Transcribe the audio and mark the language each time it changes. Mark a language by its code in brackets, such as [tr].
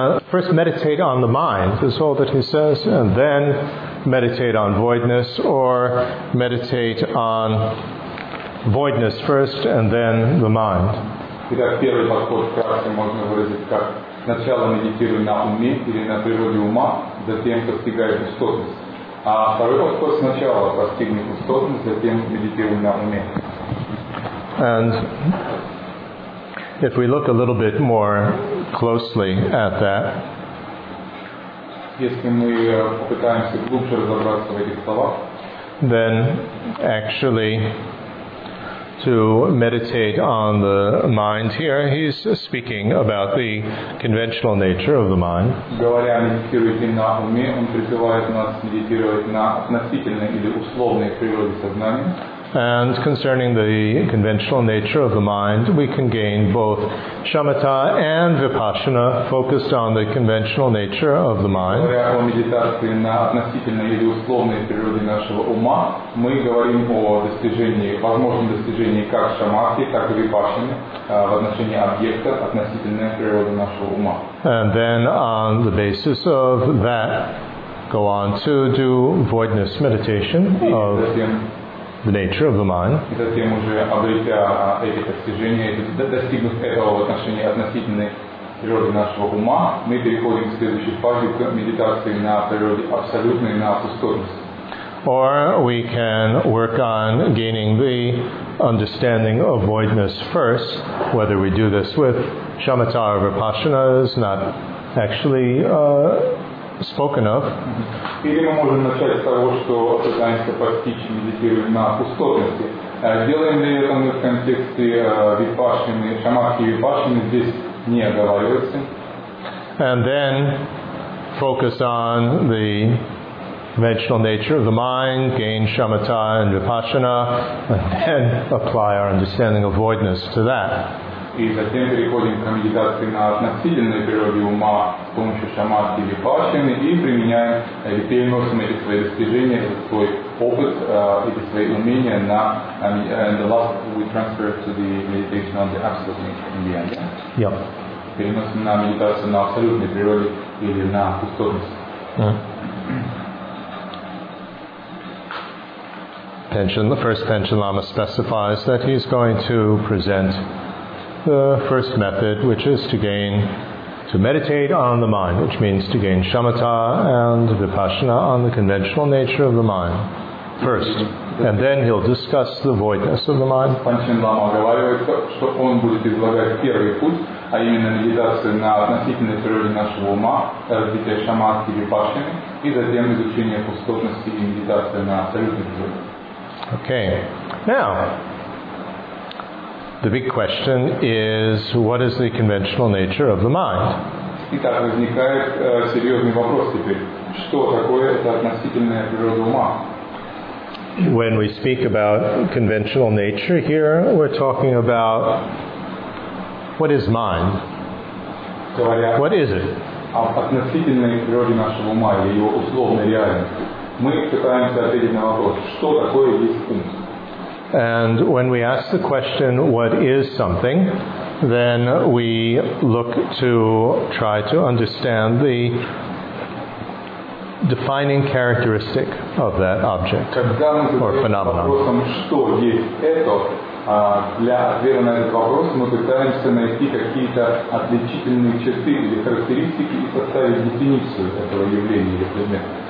[en] First meditate on the mind, is all that he says, and then meditate on voidness, or meditate on voidness first, and then the mind. [ru] Итак, первый подход вкратце можно выразить как сначала медитируй на уме или на природе ума, затем постигай пустотность. А второй подход сначала постигни пустотность, затем медитируй на уме. [en] And if we look a little bit more closely at that, [ru] если мы попытаемся глубже разобраться в этих словах, [en] then actually to meditate on the mind here, he's speaking about the conventional nature of the mind. [ru] Говоря о медитировать на уме, он призывает нас медитировать на относительной или условной природе сознания. [en] And concerning the conventional nature of the mind, we can gain both shamatha and vipassana focused on the conventional nature of the mind. [ru] Говоря о медитации на относительной или условной природе нашего ума, мы говорим о достижении, возможном достижении как шамати, так и випашаны в отношении объекта относительной природы нашего ума. [en] And then on the basis of that, go on to do voidness meditation of the nature of the mind. [ru] И затем уже обретя эти достижения, достигнув этого в отношении относительной природы нашего ума, мы переходим к следующей фазе к медитации на природе абсолютной, на пустотность. [en] Or we can work on gaining the understanding of voidness first. Whether we do this with shamatha or vipassana is not actually spoken of. [ru] Или мы можем начать с того, что пытаемся постичь, медитируя на пустотности. Делаем ли это мы в контексте випассаны, шамадхи и випассаны, здесь не оговаривается. [en] And then focus on the conventional nature of the mind, gain shamatha and vipassana, and then apply our understanding of voidness to that. [ru] И затем переходим к медитации на относительной природе ума с помощью шамадхи и випассаны и применяем или переносим эти свои достижения, свой опыт, эти свои умения на [en] and the last we transfer to the meditation on the absolute in the end. Yep. [ru] Переносим на медитацию на абсолютной природе или на пустотность. [en] The first Panchen Lama specifies that he's going to present the first method, which is to meditate on the mind, which means to gain shamatha and vipassana on the conventional nature of the mind. first, and then he'll discuss the voidness of the mind. [ru] Пан Чин Лама говорит, что он будет излагать первый путь, а именно медитацию на относительной природе нашего ума, развитие шаманки или пашины, и затем изучение пустотности и медитация на абсолютной природе. [en] Okay. Now, the big question is, what is the conventional nature of the mind? [ru] Итак, возникает серьезный вопрос теперь. Что такое эта относительная природа ума? [en] When we speak about conventional nature here, we're talking about what is mind? What is it? [ru] Относительной природе нашего ума или его условной реальности. Мы пытаемся ответить на вопрос, что такое есть ум? [en] And when we ask the question, what is something, then we look to try to understand the defining characteristic of that object or phenomenon. [ru] Вопросом, что есть это, для ответа на этот вопрос мы пытаемся найти какие-то отличительные черты или характеристики и составить дефиницию этого явления или предмета.